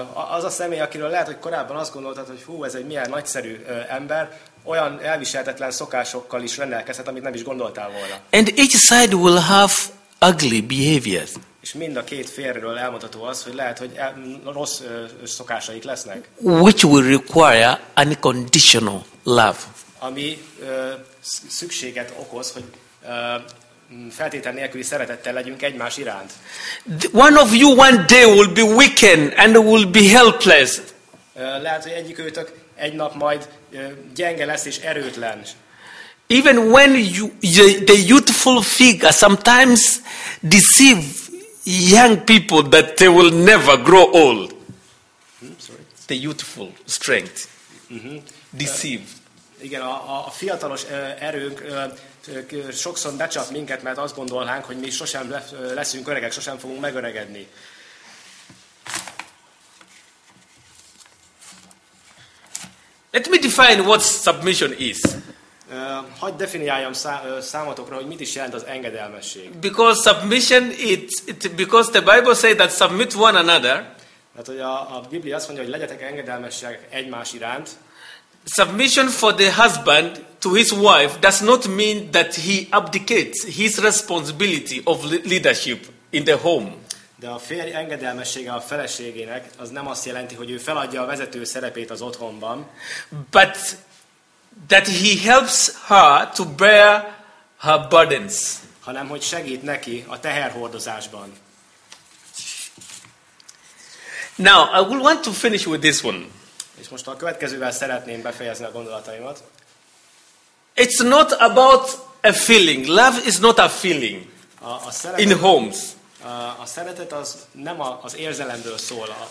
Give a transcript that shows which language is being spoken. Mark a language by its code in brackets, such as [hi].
[hu] Az a személy, akiről lehet, hogy korábban azt gondoltad, hogy hú, ez egy milyen nagyszerű ember, olyan elviselhetetlen szokásokkal is rendelkezhet, amit nem is gondoltál volna. [en] And each side will have ugly behaviors. [hu] És mind a két félről elmondható az, hogy lehet, hogy rossz szokásaik lesznek. [en] Which will require unconditional love. [hu] Ami szükséget okoz, hogy feltétel nélküli szeretettel legyünk egymás iránt. [en] One of you one day will be weakened and will be helpless. [hu] Lehet, hogy egyikőtök egy nap majd gyenge lesz és erőtlen. [en] Even when the youthful figure sometimes deceive young people that they will never grow old. The youthful strength deceive. [hu] Igen, a fiatalos erőnk sokszor becsap minket, mert azt gondolnánk, hogy mi sosem leszünk öregek, sosem fogunk megöregedni. [en] Let me define what submission is. [hu] Hadd definiáljam számotokra, hogy mit is jelent az engedelmesség. [en] Because submission it because the Bible says that submit one another. [hu] Hát hogy a Biblia azt mondja, hogy legyetek engedelmesek egymás iránt. [en] Submission for the husband to his wife does not mean that he abdicates his responsibility of leadership in the home. [hu] De a férj engedelmessége a feleségének az nem azt jelenti, hogy ő feladja a vezető szerepét az otthonban. [en] But that he helps her to bear her burdens. [hu] Hanem hogy segít neki a teherhordozásban. [en] Now I will want to finish with this one. [hu] És most a következővel szeretném befejezni a gondolataimat. [en] It's not about a feeling. Love is not a feeling. [hu] A szeretet, [en] in homes. [hu] A szeretet az nem az érzelemről szól.